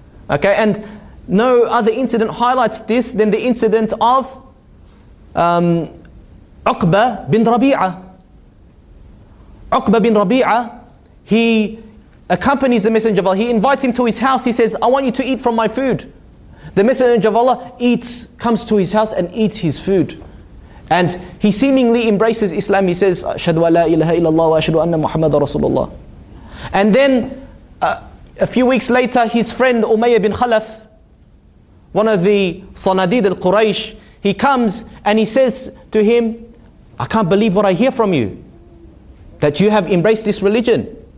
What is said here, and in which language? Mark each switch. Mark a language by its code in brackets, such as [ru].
[en] Okay, and no other incident highlights this than the incident of Uqba bin Rabi'a. Uqba bin Rabi'a, he accompanies the Messenger of Allah. He invites him to his house. He says, I want you to eat from my food. The Messenger of Allah comes to his house and eats his food. And he seemingly embraces Islam. He says, [ar] أشهد أن لا إله إلا الله وأشهد أن محمد رسول الله. [en] And then a few weeks later, his friend Umayyah bin Khalaf, one of the Sanadid al-Quraysh, he comes and he says to him, I can't believe what I hear from you, that you have embraced this religion.